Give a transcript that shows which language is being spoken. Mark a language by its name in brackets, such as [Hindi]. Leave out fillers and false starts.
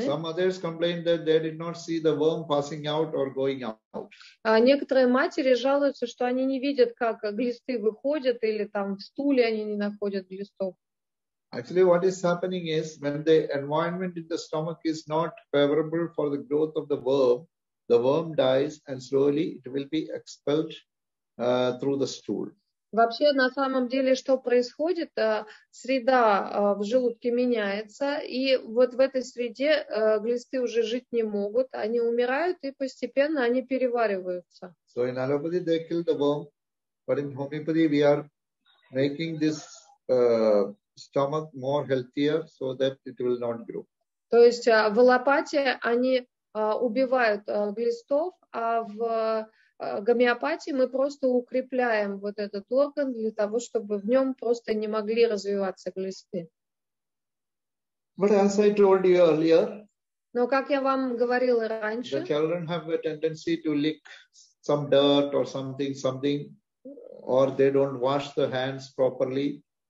[English] some others complained that they did not see the worm passing out or going out. [Russian] Некоторые матери жалуются, что они не видят, как глисты выходят, или там в стуле они не находят глистов. [English] Actually, what is happening is when the environment in the stomach is not favorable for the growth of the worm dies and slowly it will be expelled through the stool. [Russian] Вообще, на самом деле, что происходит? Среда в желудке меняется, и вот в этой среде глисты уже жить не могут. Они умирают, и постепенно они перевариваются. [English] So in allopathy, they kill the worm, but in homeopathy, we are making this stomach more healthier, so that it will not grow. [Russian] То есть в аллопатии они убивают глистов, а в гомеопатии мы просто укрепляем вот этот орган для того, чтобы в нем просто не могли развиваться глисты. [English] But as I told you earlier, [Russian] но как я вам говорила раньше, [English] the children have a tendency to lick some dirt or something, or they don't wash their hands properly.